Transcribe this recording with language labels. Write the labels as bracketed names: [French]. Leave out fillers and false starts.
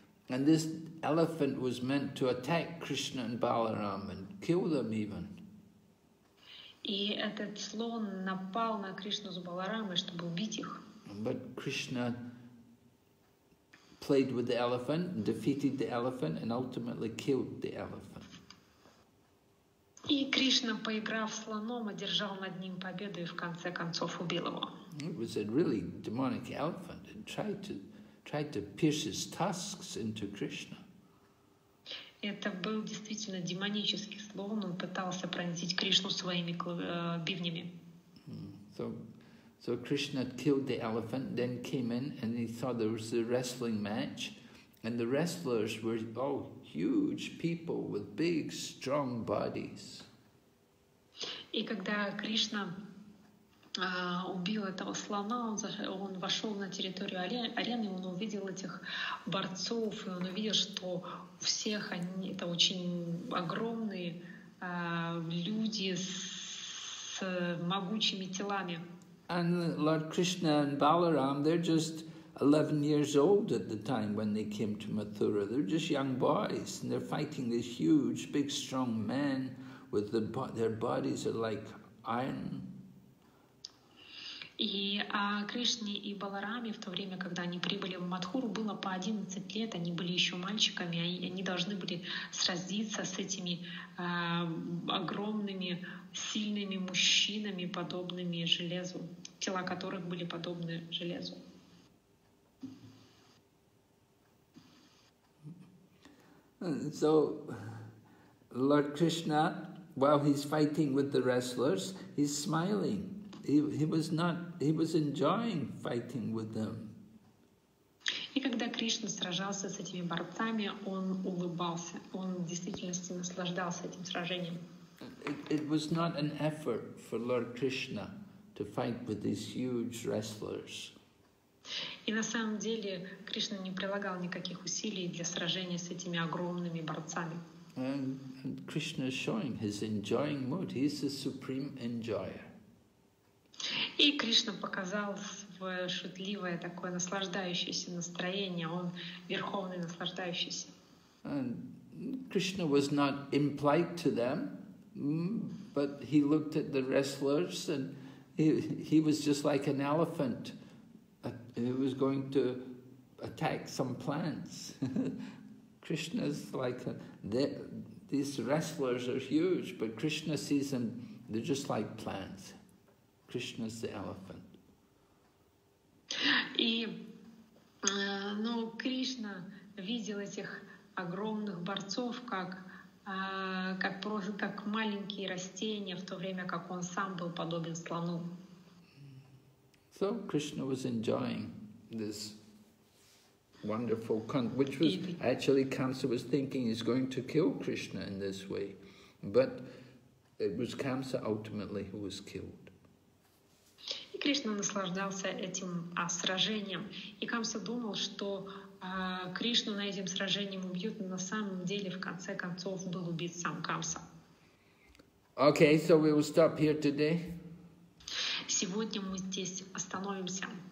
[English] And this elephant was meant to attack Krishna and Balaram and kill them even. [Russian] И этот слон напал на Кришну с Баларамой, чтобы убить их. [English] But Krishna played with the elephant, defeated the elephant, and ultimately killed the elephant. [Russian] И Кришна, поиграв слоном, одержал над ним победу и в конце концов убил его. [English] It was a really demonic elephant and tried to pierce his tusks into Krishna. [Russian] Это был действительно демонический слон, он пытался пронзить Кришну своими бивнями. [English] So Krishna killed the elephant, then came in and he saw there was a wrestling match, and the wrestlers were all huge people with big, strong bodies. [Russian] И когда Кришна убил этого слона, он вошел на территорию арены, он увидел этих борцов, и он увидел, что у всех они это очень огромные люди с могучими телами. [English] And Lord Krishna and Balaram, they're just 11 years old at the time when they came to Mathura. They're just young boys, and they're fighting these huge, big, strong men. With their bodies are like iron. [Russian] И Кришне и Баларами в то время, когда они прибыли в Мадхуру, было по 11 лет, они были еще мальчиками, и они должны были сразиться с этими огромными, сильными мужчинами, подобными железу, тела которых были подобны железу. [English] So, Lord Krishna, while he's fighting with the wrestlers, he's smiling. He was enjoying fighting with them. [Russian] И когда Кришна сражался с этими борцами, он улыбался. Он в действительности наслаждался этим сражением. [English] It was not an effort for Lord Krishna to fight with these huge wrestlers. [Russian] И на самом деле Кришна не прилагал никаких усилий для сражения с этими огромными борцами. [English] And Krishna is showing his enjoying mood. He is the supreme enjoyer. [Russian] И Кришна показал свое шутливое такое наслаждающееся настроение. Он верховный наслаждающийся. [English] And Krishna was not impolite to them, but he looked at the wrestlers and he was just like an elephant. He was going to attack some plants. Krishna's like, these wrestlers are huge, but Krishna sees them, they're just like plants. Krishna's the elephant. [Russian] И, ну, Кришна видел этих огромных борцов как просто как маленькие растения, в то время как он сам был подобен слону. [English] So Krishna was enjoying this wonderful country, which was actually Kamsa was thinking he's going to kill Krishna in this way, but it was Kamsa ultimately who was killed. [Russian] И Кришна наслаждался этим сражением, и Камса думал, что Кришну на этом сражении убьют, но на самом деле в конце концов был убит сам Камса. [English] Okay, so we will stop here today. [Russian] Сегодня мы здесь остановимся.